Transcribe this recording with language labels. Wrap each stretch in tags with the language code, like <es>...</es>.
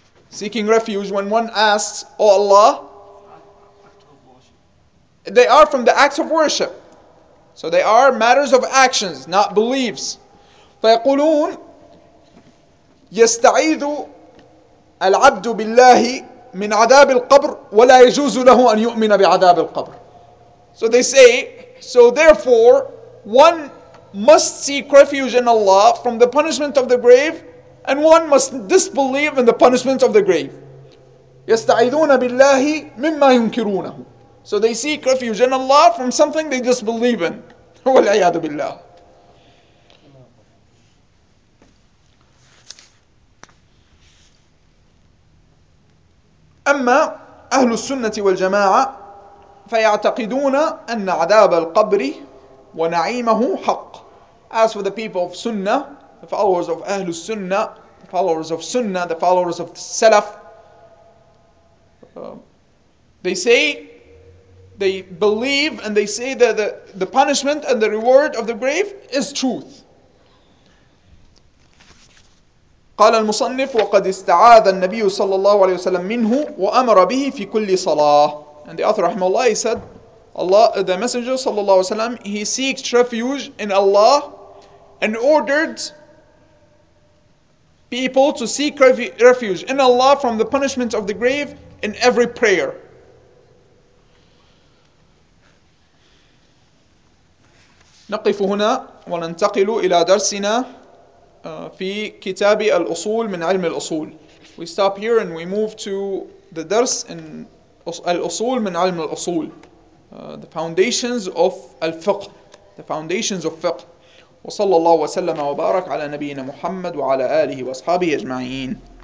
<en>Seeking refuge when one asks, O Allah, they are from the acts of worship. So they are matters of actions, not beliefs.</en> <ar>فيقولون يستعيذ العبد بالله من عذاب القبر ولا يجوز له أن يؤمن بعذاب القبر.</ar> <en>So they say, so therefore, one must seek refuge in Allah from the punishment of the grave, and one must disbelieve in the punishment of the grave.</en> <ar>يستعيذون بالله مما ينكرونه.</ar> <en>So they seek refuge in Allah from something they disbelieve in.</en> <ar>والعياذ بالله. أما أهل السنة والجماعة فيعتقدون أن عذاب القبر ونعيمه حق.</ar> <en>As for the people of Sunnah, the followers of أهل السنة, the followers of Sunnah, the followers of the Salaf, they say, they believe and they say that the punishment and the reward of the grave is truth.</en> <ar>قال المصنف وقد استعاذ النبي صلى الله عليه وسلم منه وأمر به في كل صلاة.</ar> <en>And the author رحمه الله, he said, Allah, the messenger صلى الله عليه وسلم, he seeks refuge in Allah and ordered people to seek refuge in Allah from the punishment of the grave in every prayer.</en> <ar>نقف هنا وننتقل إلى درسنا في كتاب الأصول من علم الأصول.</ar> <en>We stop here and we move to the درس in الأصول من علم الأصول. The foundations of الفقه. The foundations of</en> <ar>فقه. وصلى الله وسلم وبارك على نبينا محمد وعلى آله وأصحابه أجمعين.</ar>